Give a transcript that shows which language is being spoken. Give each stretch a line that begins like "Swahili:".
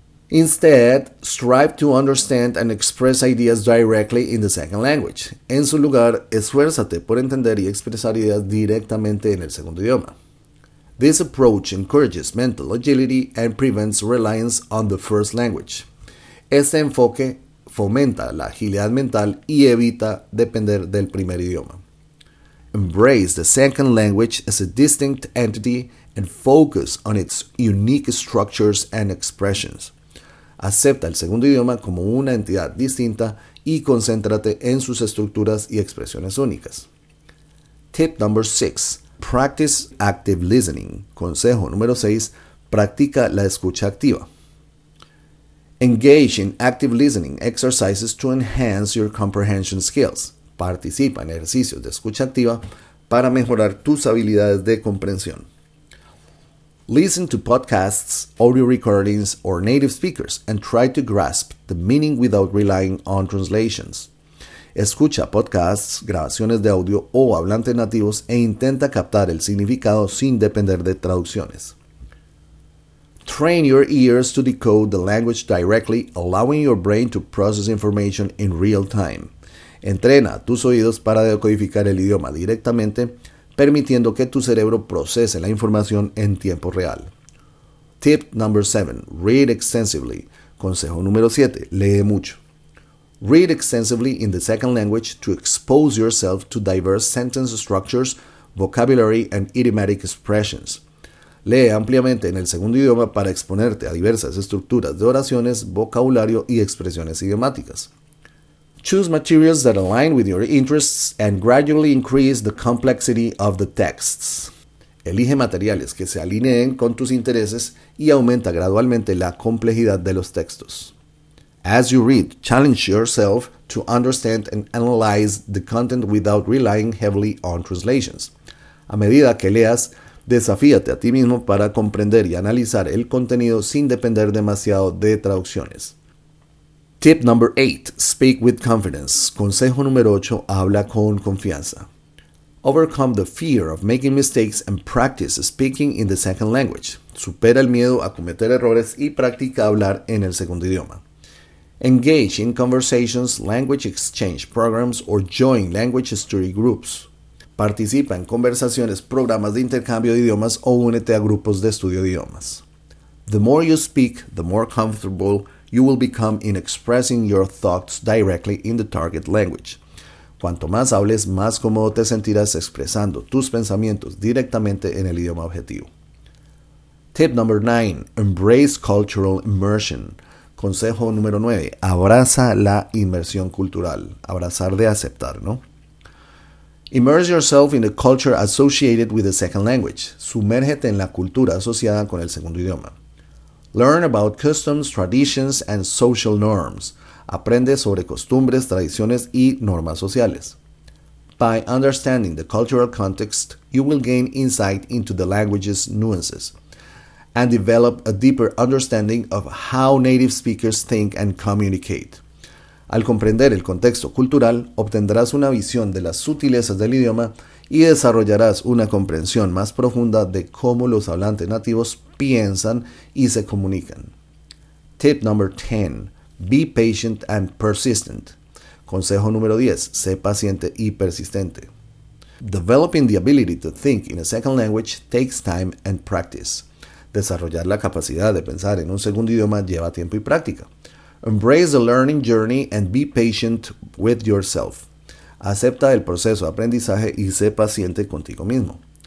English: Instead, strive to understand and express ideas directly in the second language.
Spanish: En su lugar, esfuérzate por entender y expresar ideas directamente en el segundo idioma.
English: This approach encourages mental agility and prevents reliance on the first language.
Spanish: Este enfoque fomenta la agilidad mental y evita depender del primer idioma.
English: Embrace the second language as a distinct entity and focus on its unique structures and expressions.
Spanish: Acepta el segundo idioma como una entidad distinta y concéntrate en sus estructuras y expresiones únicas.
English: Tip number 6. Practice active listening.
Spanish: Consejo número 6. Practica la escucha activa.
English: Engage in active listening exercises to enhance your comprehension skills.
Spanish: Participa en ejercicios de escucha activa para mejorar tus habilidades de comprensión.
English: Listen to podcasts, audio recordings, or native speakers and try to grasp the meaning without relying on translations.
Spanish: Escucha podcasts, grabaciones de audio o hablantes nativos e intenta captar el significado sin depender de traducciones.
English: Train your ears to decode the language directly, allowing your brain to process information in real time.
Spanish: Entrena tus oídos para decodificar el idioma directamente, permitiendo que tu cerebro procese la información en tiempo real.
English: Tip number 7. Read extensively.
Spanish: Consejo número 7. Lee mucho.
English: Read extensively in the second language to expose yourself to diverse sentence structures, vocabulary, and idiomatic expressions.
Spanish: Lee ampliamente en el segundo idioma para exponerte a diversas estructuras de oraciones, vocabulario y expresiones idiomáticas.
English: Choose materials that align with your interests and gradually increase the complexity of the texts.
Spanish: Elige materiales que se alineen con tus intereses y aumenta gradualmente la complejidad de los textos.
English: As you read, challenge yourself to understand and analyze the content without relying heavily on translations.
Spanish: A medida que leas, desafíate a ti mismo para comprender y analizar el contenido sin depender demasiado de traducciones.
English: Tip number 8. Speak with confidence.
Spanish: Consejo número 8. Habla con confianza.
English: Overcome the fear of making mistakes and practice speaking in the second language.
Spanish: Supera el miedo a cometer errores y practica hablar en el segundo idioma.
English: Engage in conversations, language exchange programs, or join language study groups.
Spanish: Participa en conversaciones, programas de intercambio de idiomas o únete a grupos de estudio de idiomas.
English: The more you speak, the more comfortable you will become in expressing your thoughts directly in the target language.
Spanish: Cuanto más hables, más cómodo te sentirás expresando tus pensamientos directamente en el idioma objetivo.
English: Tip number 9. Embrace cultural immersion.
Spanish: Consejo número 9. Abraza la inmersión cultural. Abrazar de aceptar, ¿no?
English: Immerse yourself in the culture associated with the second language.
Spanish: Sumérgete en la cultura asociada con el segundo idioma.
English: Learn about customs, traditions, and social norms.
Spanish: Aprende sobre costumbres, tradiciones y normas sociales.
English: By understanding the cultural context, you will gain insight into the language's nuances and develop a deeper understanding of how native speakers think and communicate.
Spanish: Al comprender el contexto cultural, obtendrás una visión de las sutilezas del idioma y desarrollarás una comprensión más profunda de cómo los hablantes nativos piensan y se comunican.
English: Tip number 10. Be patient and persistent.
Spanish: Consejo número 10. Sé paciente y persistente.
English: Developing the ability to think in a second language takes time and practice.
Spanish: Desarrollar la capacidad de pensar en un segundo idioma lleva tiempo y práctica.
English: Embrace the learning journey and be patient with yourself.
Spanish: Acepta el proceso de aprendizaje y sé paciente contigo mismo.